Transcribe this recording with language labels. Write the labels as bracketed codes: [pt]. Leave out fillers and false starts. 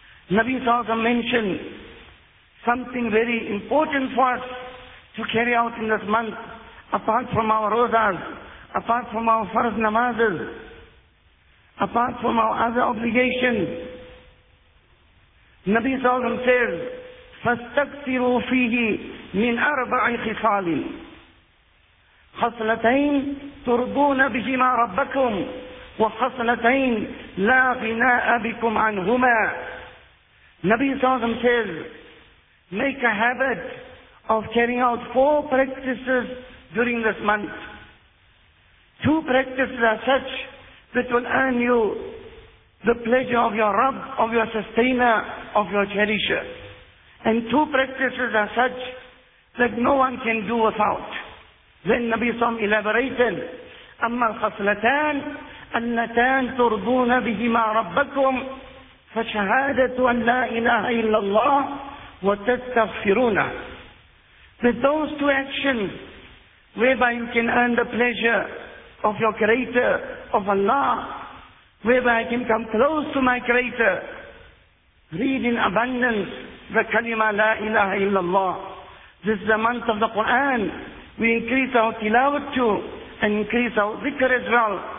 [en] Nabi Sa'adha mentioned something very important for us to carry out in this month, apart from our rozas, apart from our farz namazes, apart from our other obligations. Nabi Sallallahu Alaihi Wasallam says, [ar] فَاسْتَكْثِرُوا فِيهِ مِنْ أَرْبَعِ خِصَالٍ خَصْلَتَيْنْ تُرْضُونَ بِهِمَا رَبَّكُمْ وَخَصْلَتَيْنْ لَا غِنَاءَ بِكُمْ عَنْهُمَا. [en] Nabi Sallallahu Alaihi Wasallam says, make a habit of carrying out four practices during this month. Two practices are such that will earn you the pleasure of your Rabb, of your sustainer, of your cherisher. And two practices are such that no one can do without. Then Nabi Sallam elaborated, [ar] أَمَّا الْخَصْلَتَانِ أَلَّتَانِ تُرْضُونَ بِهِمَا رَبَّكُمْ فَشَهَادَةُ أَنْ لَا إِلَهَ إِلَّا اللَّهِ وَتَسْتَغْفِرُونَ. [en] That those two actions whereby you can earn the pleasure of your Creator, of Allah, whereby I can come close to my Creator, read in abundance the kalima la ilaha illallah. This is the month of the Quran. We increase our tilawat too, and increase our dhikr as well.